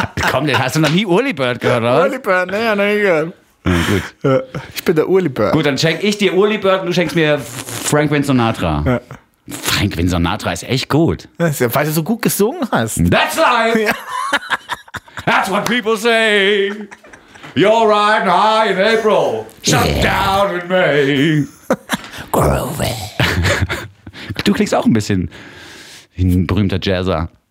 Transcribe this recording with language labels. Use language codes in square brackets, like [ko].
[de] Komm, hast du noch nie Uli Bird gehört, oder? Uli Bird, nee, noch nie gehört. Gut. Ich bin der Uli Bird. Gut, dann schenk ich dir Uli Bird und du schenkst mir Frank Sinatra. Ja. Frank Sinatra ist echt gut. Das ist ja, weil du so gut gesungen hast. [en] That's life! [de] Ja. [en] That's what people say! You're riding high in April. Shut down in May. Groovy. [de] Du klingst auch ein bisschen wie ein berühmter Jazzer.